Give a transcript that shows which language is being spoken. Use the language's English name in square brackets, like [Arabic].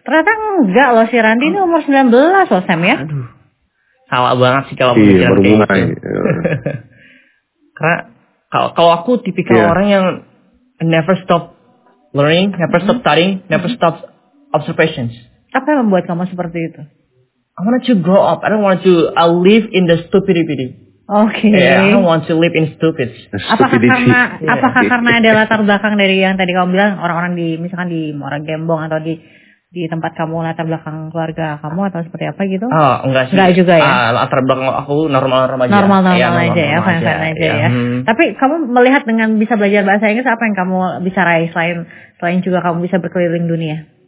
[Indonesian] Ternyata enggak loh, si Randi ini umur 19 loh, Sam ya. Salah banget sih kalau pikiran kayak gitu. Karena kalau aku tipikal orang yang [English] never stop learning, never stop studying, never stop observations. [Indonesian] Apa yang membuat kamu seperti itu? [English] I want to grow up, I don't want to live in the stupidity. Okay. Yeah, I don't want to live in stupid. [Indonesian] Apakah karena ada latar belakang dari yang tadi kamu bilang, orang-orang di misalkan di Muara Gembong atau di tempat kamu, latar belakang keluarga kamu atau seperti apa gitu? Oh, enggak sih. Enggak juga ya. Latar belakang aku normal-normal aja. Normal-normal aja. Tapi kamu melihat dengan bisa belajar bahasa Inggris, apa yang kamu bisa raih selain juga kamu bisa berkeliling dunia?